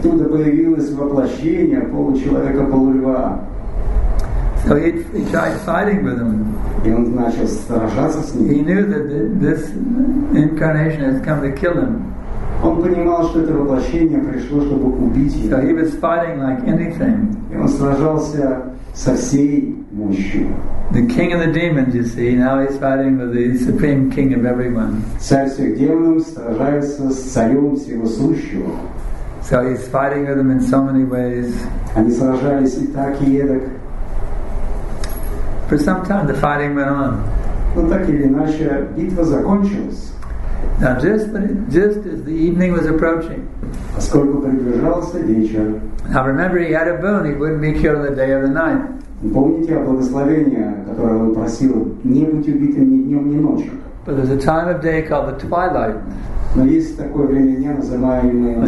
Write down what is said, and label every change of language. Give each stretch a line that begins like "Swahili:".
Russian: Оттуда появилось воплощение получеловека полулева.
English: So he tried fighting with him.
Russian: И он начал сражаться с ним.
English: He knew that this incarnation has come to kill him.
Russian: Он понимал, что это воплощение пришло, чтобы убить его.
English: So he was fighting like anything.
Russian: И он сражался со всей мощью.
English: The king of the demons, you see, now he's fighting with the supreme king of everyone.
Russian: Царь всех демонов сражается с царем всего сущего.
English: So he's fighting with them in so many ways.
Russian: Они сражались и так, и эдак.
English: For some time the fighting went on.
Russian: Но так или иначе, битва закончилась.
English: Now just as the evening was approaching.
Russian: Поскольку приближался вечер.
English: Now remember, he had a boon, he wouldn't be killed on the day or the night.
Russian: Помните о благословении, которое он просил, не быть убитым ни днем, ни ночью.
English: But there's a time of day called the twilight.
Russian: Но есть такое время дня, называемое